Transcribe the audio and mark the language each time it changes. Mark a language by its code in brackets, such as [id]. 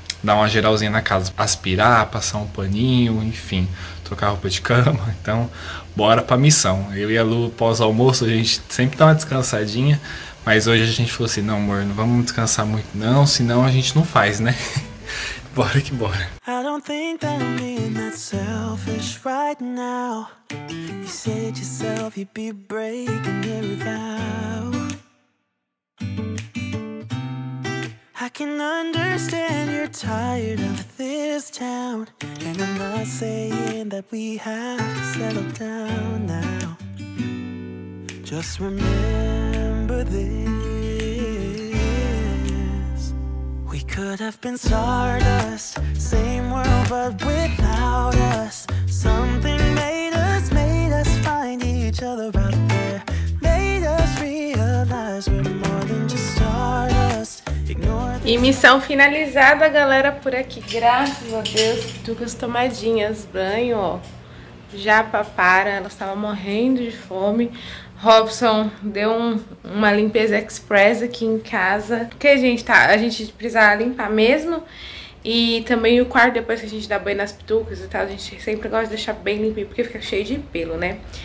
[pt] dar uma geralzinha na casa, aspirar, passar um paninho, enfim, trocar roupa de cama. Então, bora pra missão. Eu e a Lu, pós-almoço, a gente sempre dá uma descansadinha, mas hoje a gente falou assim, não, amor, não vamos descansar muito não, senão a gente não faz, né? Bora que bora. [en] I don't think that being that selfish right now. You said yourself you'd be breaking every vow. I can understand you're tired of this town, and I'm not saying that we have to settle down now. Just remember this: we could have been stardust, same world but without us. Something made us find each other out there, made us realize we're more than just stardust. [pt] E missão finalizada, galera, por aqui. Graças a Deus, duas tomadinhas, banho, ó. Já papara, ela estava morrendo de fome. Robson deu uma limpeza express aqui em casa. Porque a gente precisava limpar mesmo. E também o quarto, depois que a gente dá banho nas pitucas e tal, a gente sempre gosta de deixar bem limpinho, porque fica cheio de pelo, né?